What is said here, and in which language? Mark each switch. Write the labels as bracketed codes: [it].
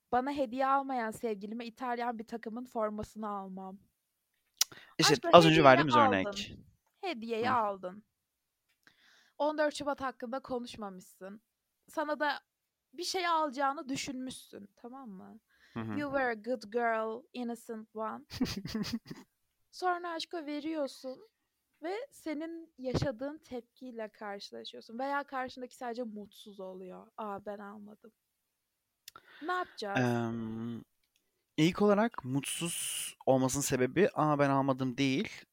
[tr] Bana hediye almayan sevgilime İtalyan bir takımın formasını almam. İşte aşkım, az önce verdiğimiz aldın. Örnek. Hediyeyi hı. Aldın. 14 Şubat hakkında konuşmamışsın. Sana da bir şey alacağını düşünmüşsün, tamam mı? [en] You were a good girl, innocent one. [tr] Sonra aşka veriyorsun ve senin yaşadığın tepkiyle karşılaşıyorsun. Veya karşındaki sadece mutsuz oluyor. Aa ben almadım. Ne yapacağız? İlk olarak mutsuz olmasının sebebi aa ben almadım değil.